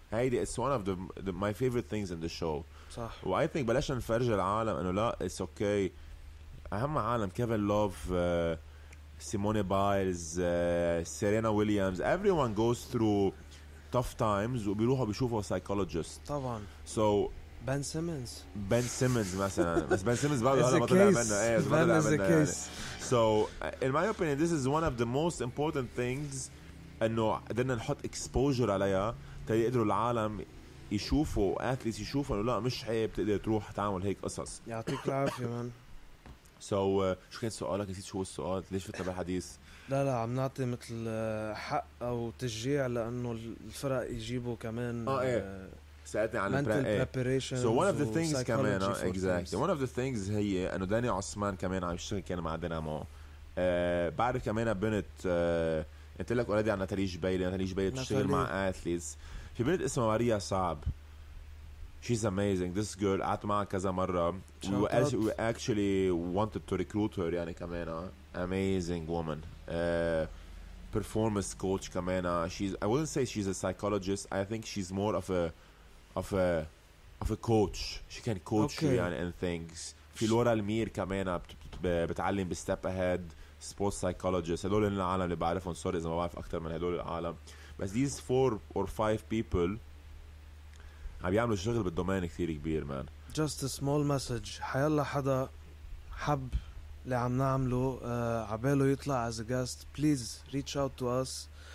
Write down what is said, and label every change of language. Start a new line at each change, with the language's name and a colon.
English: هيدي it's one of the my favorite things in the show
Arabic: صح و
English: I think
Arabic: بلاش نفرج العالم انه لا
English: it's okay
Arabic: اهم عالم كيفن لوف سيموني بايلز سيرينا ويليامز
English: everyone goes through tough times
Arabic: وبيروحوا بيشوفوا psychologist طبعا
English: so
Arabic: بن سيمنز مثلا بس بن سيمنز بعد هذا مطلع منه
English: بن is a case so in my opinion this is one of the most important things
Arabic: انه قدرنا نحط exposure عليها تقدروا العالم يشوفوا athletes يشوفوا انه لا مش عيب تقدر تروح تعمل هيك قصص يعطيك العافية من So, شو كان سؤالك نسيت شو السؤال ليش فتنا بالحديث لا عم نعطي مثل حق او تشجيع لانه الفرق يجيبوا كمان سألتني عن
English: preparation so one of the things
Arabic: كمان
English: exactly one of the things
Arabic: هي انه داني عثمان كمان عم يشتغل كان مع دينامو بعرف كمان بنت قلت لك اولادي عن نتاليج بيلي نتاليج بيلي تشتغل مع اثليتس في بنت اسمها ماريا صعب
English: She's amazing. This girl, I met her
Arabic: كذا مرة.
English: We actually wanted to recruit her.
Arabic: يعني كمان
English: amazing woman. Performance coach كمان. She's I wouldn't say she's a psychologist. I think she's more of a of a coach. She can coach okay. you and things.
Arabic: في لورا المير كمان بتعلم بستيب اهيد سبورتس سايكولوجيست. هدول العالم اللي بعرفهم. سوري اذا ما بعرف اكثر من هدول العالم, بس
English: these four or five people
Arabic: عم يعملوا شغل بالدومين كثير كبير مان.
English: just a small message,
Arabic: حيالله حدا حب اللي عم نعمله عباله يطلع
English: As a just, please reach out to us.